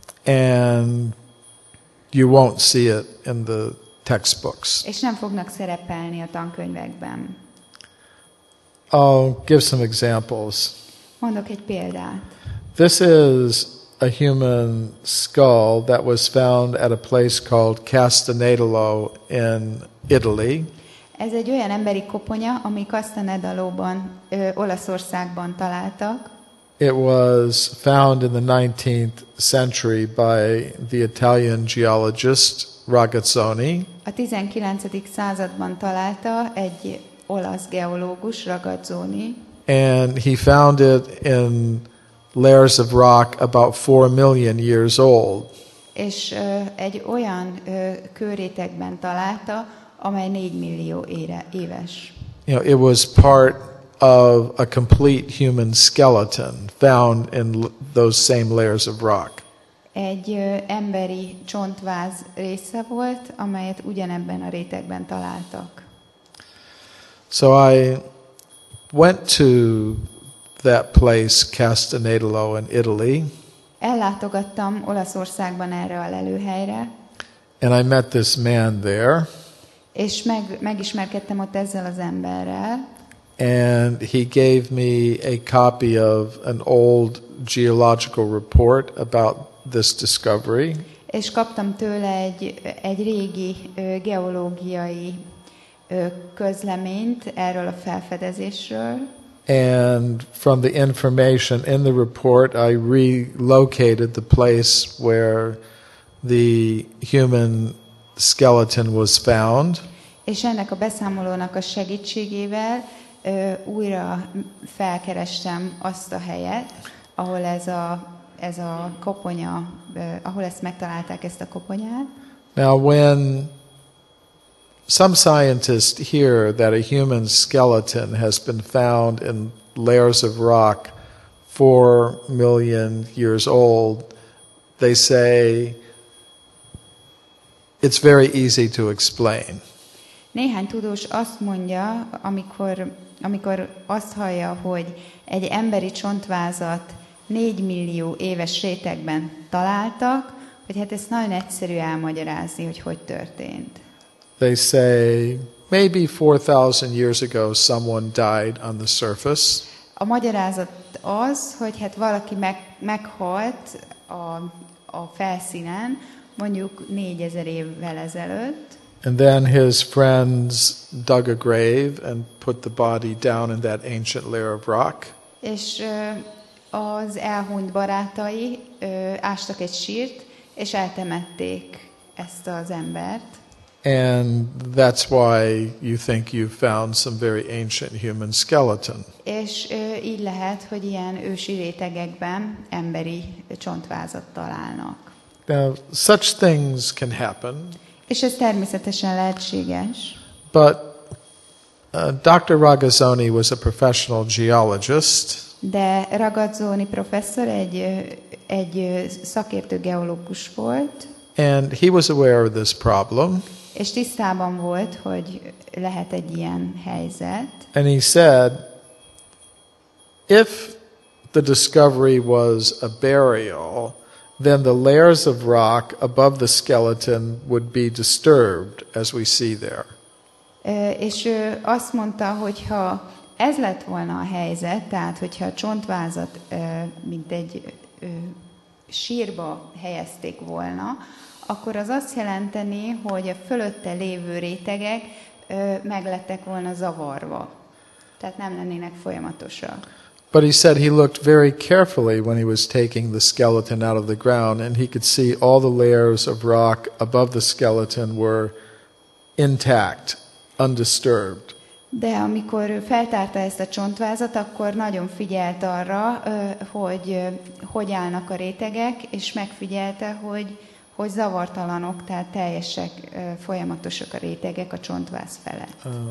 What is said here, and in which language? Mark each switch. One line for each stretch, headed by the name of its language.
English: And you won't see it in the textbooks.
Hungarian: És nem fognak szerepelni a tankönyvekben.
English: I'll give some examples.
Hungarian: Mondok egy példát.
English: This is a human skull that was found at a place called Castagnetolo in Italy.
Hungarian: Ez egy olyan emberi koponya, ami Castagnetolóban, Olaszországban találtak.
English: It was found in the 19th century by the Italian geologist Ragazzoni.
Hungarian: A 19. században találta egy olasz geológus, Ragazzoni.
English: And he found it in layers of rock about 4 million years old.
Hungarian: És egy olyan kőrétegben találta, amely 4 millió éves.
English: You know, it was part of a complete human skeleton found in those same layers of rock.
Hungarian: egy emberi csontváz része volt, amelyet ugyanebben a rétegben találtak.
English: So I went to that place, Castagnetolo in Italy.
Hungarian: Ellátogattam Olaszországban erre a lelőhelyre.
English: And I met this man there.
Hungarian: És megismerkedtem ott ezzel az emberrel.
English: And he gave me a copy of an old geological report about this discovery.
Hungarian: És kaptam tőle egy régi geológiai közleményt erről a felfedezésről.
English: And from the information in the report, I relocated the place where the human skeleton was found.
Hungarian: És ennek a beszámolónak a segítségével újra felkerestem azt a helyet, ahol ez a koponya, ahol ezt megtalálták, ezt a koponyát.
English: Now when some scientists hear that a human skeleton has been found in layers of rock 4 million years old, they say it's very easy to explain.
Hungarian: Néhány tudós azt mondja, amikor azt hallja, hogy egy emberi csontvázat 4 millió éves rétegben találtak, hogy hát ezt nagyon egyszerű elmagyarázni, hogy hogy történt.
English: They say maybe 4,000 years ago someone died on the surface.
Hungarian: A magyarázat az, hogy hát valaki meghalt a felszínen, mondjuk 4000 évvel ezelőtt.
English: And then his friends dug a grave and put the body down in that ancient layer of rock.
Hungarian: És az elhunyt barátai ástak egy sírt és eltemették ezt az embert.
English: And that's why you think you found some very ancient human skeleton.
Hungarian: És így lehet, hogy ilyen ősi rétegekben emberi csontvázat találnak.
English: Now, such things can happen.
Hungarian: És ez természetesen lehetséges.
English: But Dr. Ragazzoni was a professional geologist.
Hungarian: De Ragazzoni professzor egy szakértő geológus volt.
English: And he was aware of this problem.
Hungarian: És tisztában volt, hogy lehet egy ilyen helyzet.
English: And he said, if the discovery was a burial, then the layers of rock above the skeleton would be disturbed, as we see there.
Hungarian: És ő azt mondta, hogyha ez lett volna a helyzet, tehát hogyha a csontvázat mint egy sírba helyezték volna, akkor az azt jelenteni, hogy a fölötte lévő rétegek meglettek volna zavarva. Tehát nem lennének folyamatosak.
English: But he said he looked very carefully when he was taking the skeleton out of the ground and he could see all the layers of rock above the skeleton were intact, undisturbed.
Hungarian: De amikor feltárta ezt a csontvázat, akkor nagyon figyelt arra, hogy hogy állnak a rétegek, és megfigyelte, hogy zavartalanok, tehát teljesek, folyamatosak a rétegek a csontváz felett.